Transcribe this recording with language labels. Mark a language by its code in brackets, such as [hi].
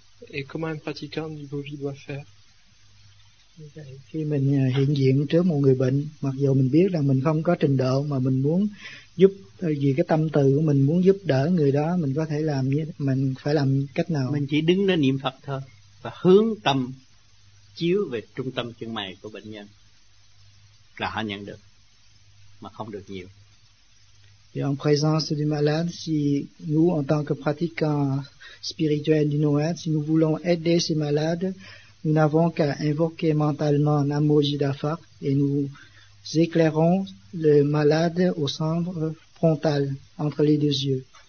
[fr] Et comment un pratiquant du Bovi doit faire? [vi] Khi mình hiện diện trước một người bệnh, mặc dù mình biết là mình không có trình độ mà mình muốn giúp, vì cái tâm từ của mình muốn giúp đỡ người đó, mình có thể làm như, mình phải làm cách nào? Mình chỉ đứng đó niệm Phật thôi và hướng tâm chiếu về trung tâm chân mày của bệnh nhân là họ nhận được, mà không được nhiều. [fr] Et en présence du malade, si nous en tant que pratiquant spirituel du Noël, si nous voulons aider ces malades, nous n'avons qu'à invoquer mentalement Namo Jidafa et nous éclairons le malade au centre frontal, entre les deux yeux.